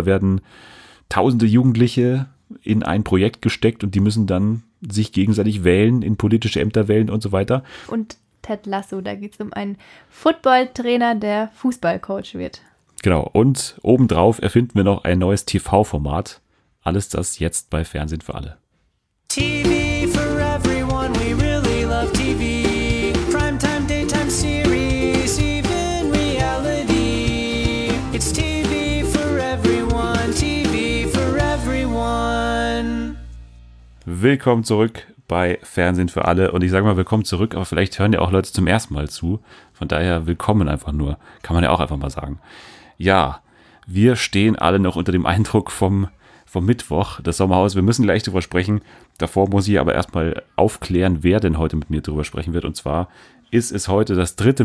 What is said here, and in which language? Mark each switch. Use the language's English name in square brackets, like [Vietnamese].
[German] Da werden tausende Jugendliche in ein Projekt gesteckt und die müssen dann sich gegenseitig wählen, in politische Ämter wählen und so weiter. Und Ted Lasso, da geht es um einen Football-Trainer, der Fußballcoach wird. Genau, und obendrauf erfinden wir noch ein neues TV-Format. Alles das jetzt bei Fernsehen für alle. [English] TV for everyone, we really love TV. Primetime, daytime series, even reality. It's TV for everyone, TV for everyone. [German] Willkommen zurück bei Fernsehen für alle. Und ich sage mal willkommen zurück, aber vielleicht hören ja auch Leute zum ersten Mal zu. Von daher willkommen einfach nur, kann man ja auch einfach mal sagen. Ja, wir stehen alle noch unter dem Eindruck vom Mittwoch, das Sommerhaus. Wir müssen gleich drüber sprechen. Davor muss ich aber erstmal aufklären, wer denn heute mit mir drüber sprechen wird. Und zwar ist es heute das 3.